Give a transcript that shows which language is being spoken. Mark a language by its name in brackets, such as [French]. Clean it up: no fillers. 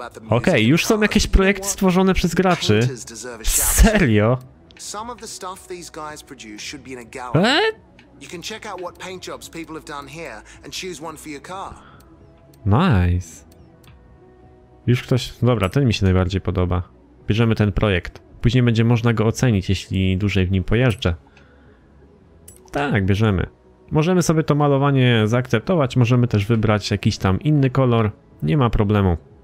[Polish] Okej, już są jakieś projekty stworzone przez graczy. Serio? [English] Some of the stuff these guys produce should be in a gallery. You can check out what paint jobs people have done here and choose one for your car. [Polish] Nice. Już ktoś... Dobra, ten mi się najbardziej podoba. Bierzemy ten projekt. Później będzie można go ocenić, jeśli dłużej w nim pojeżdżę. Tak, bierzemy. Możemy sobie to malowanie zaakceptować, możemy też wybrać jakiś tam inny kolor. Nie ma problemu.